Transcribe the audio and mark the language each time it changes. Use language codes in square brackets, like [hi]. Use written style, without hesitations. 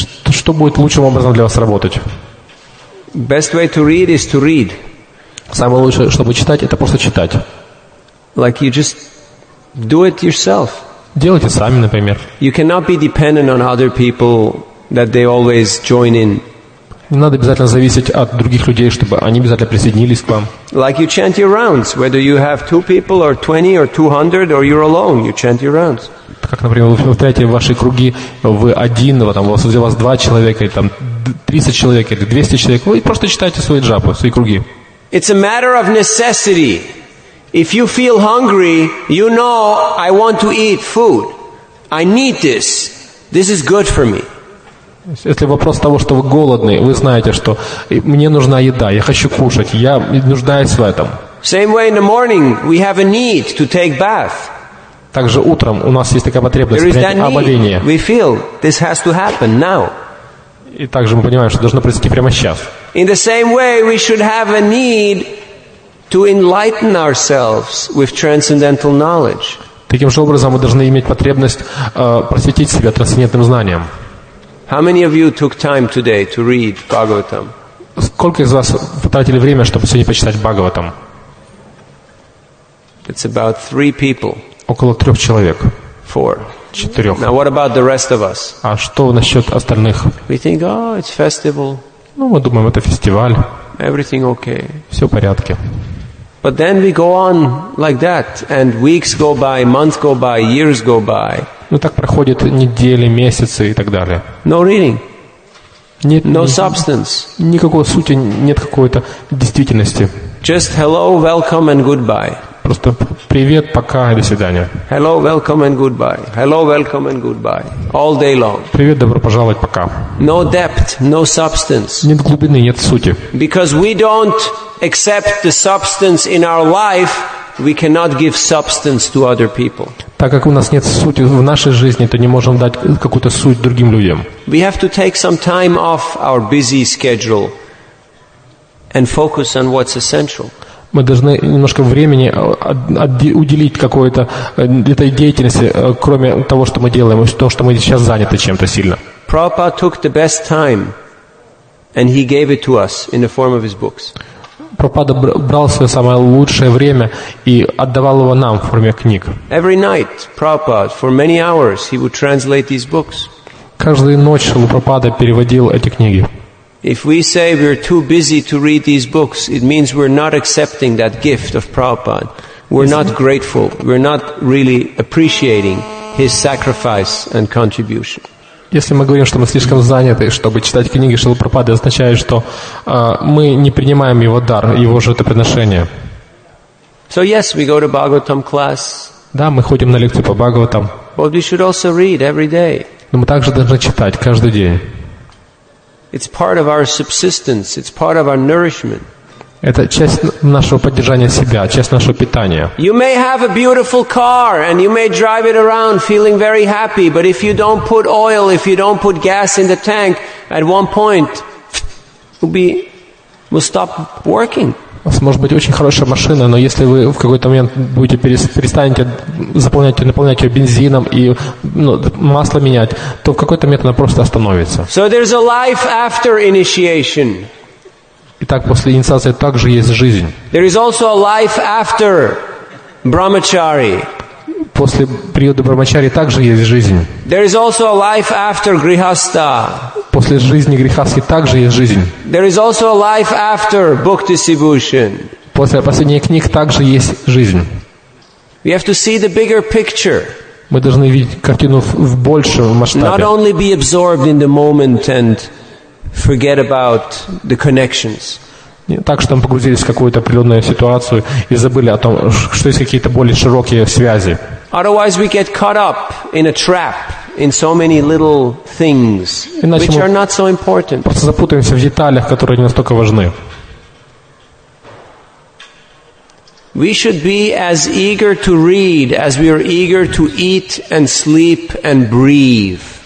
[ru] Что будет лучшим образом для вас работать? [en] Best way to read is to read. [ru] Самое лучшее, чтобы читать, это просто читать. [en] Like you just do it yourself. [ru] Делайте сами, например. [en] You cannot be dependent on other people that they always join in. [ru] Не надо обязательно зависеть от других людей, чтобы они обязательно присоединились к вам. [en] Like you chant your rounds, whether you have two people or 20 or 200 or you're alone, you chant your rounds. [ru] Как, например, вы повторяете ваши круги, вы один, там, у вас два человека, или там 30 человек, или 200 человек, вы просто читаете свои джапы, свои круги. [en] It's a matter of necessity. If you feel hungry, you know I want to eat food. I need this. This is good for me. [ru] Если вопрос того, что вы голодны, вы знаете, что мне нужна еда, я хочу кушать, я нуждаюсь в этом. [en] Same way in the morning, we have a need to take bath. [ru] Также утром у нас есть такая потребность принять омовение. [en] We feel this has to happen now. [ru] И также мы понимаем, что должно произойти прямо сейчас. [en] In the same way, we should have a need to enlighten ourselves with transcendental knowledge. [ru] Таким же образом мы должны иметь потребность просветить себя трансцендентным знанием. [en] How many of you took time today to read Bhagavatam? [ru] Сколько из вас потратили время, чтобы сегодня почитать Бхагаватам? [en] It's about 3 people. [ru] Около 3 человек. [en] 4. [ru] 4. [en] Now what about the rest of us? [ru] А что насчёт остальных? [en] We think, oh, it's festival. [ru] Ну, мы думаем, это фестиваль. [en] Everything okay. [ru] Всё в порядке. [en] But then we go on like that, and weeks go by, months go by, years go by. [ru] Ну так проходит недели, месяцы и так далее. [en] No reading. [ru] Нет. [en] No substance. [ru] Никакой сути, нет какой-то действительности. [en] Just hello, welcome, and goodbye. [ru] Просто привет, пока, до свидания. [en] Hello, welcome, and goodbye. Hello, welcome, and goodbye. All day long. [ru] Привет, добро пожаловать, пока. [en] No depth, no substance. [ru] Нет глубины, нет сути. [en] Because we don't accept the substance in our life, we cannot give substance to other people. [ru] Так как у нас нет сути в нашей жизни, то не можем дать какую-то суть другим людям. [en] We have to take some time off our busy schedule and focus on what's essential. [ru] Мы должны немножко времени уделить какой-то этой деятельности, кроме того, что мы делаем, и то, что мы сейчас заняты чем-то сильно. [en] Prabhupada took the best time and he gave it to us in the form of his books. [ru] Прабхупада брал свое самое лучшее время и отдавал его нам в форме книг. [en] Every night, Prabhupada, for many hours, he would translate these books. [ru] Каждую ночь Прабхупада переводил эти книги. [en] If we say we're too busy to read these books, it means we're not accepting that gift of Prabhupada. We're not grateful. We're not really appreciating his sacrifice and contribution. [ru] Если мы говорим, что мы слишком заняты, чтобы читать книги Шрилы Прабхупады, означает, что мы не принимаем его дар, его жертвоприношение. [en] So yes, we go to Bhagavatam class. [ru] Да, мы ходим на лекцию по Бхагаватам. [en] But we should also read every day. [ru] Но мы также должны читать каждый день. [en] It's part of our subsistence. It's part of our nourishment. [ru] Это часть нашего поддержания себя, часть нашего питания. [en] You may have a beautiful car and you may drive it around feeling very happy, but if you don't put oil, if you don't put gas in the tank, at one point it will stop working. [ru] У вас может быть очень хорошая машина, но если вы в какой-то момент будете перестанете наполнять ее бензином и масло менять, то в какой-то момент она просто остановится. [en] So there's a life after initiation. [ru] Итак, после инициации также есть жизнь. [en] There is also a life after brahmachari. [ru] После периода брахмачари также есть жизнь. [en] There is also a life after grihastha. [ru] После жизни грихасхи также есть жизнь. [en] There is also a life after book distribution. [ru] После последних книг также есть жизнь. [en] We have to see the bigger picture. [ru] Мы должны видеть картину в большем масштабе. [en] Not only be absorbed in the moment and forget about the connections. [ru] Не так, что мы погрузились в какую-то определенную ситуацию и забыли о том, что есть какие-то более широкие связи. [en] Otherwise we get caught up in a trap in so many little things, which are not so important. [ru] Просто запутаемся в деталях, которые не настолько важны. [en] We should be as eager to read as we are eager to eat and sleep and breathe.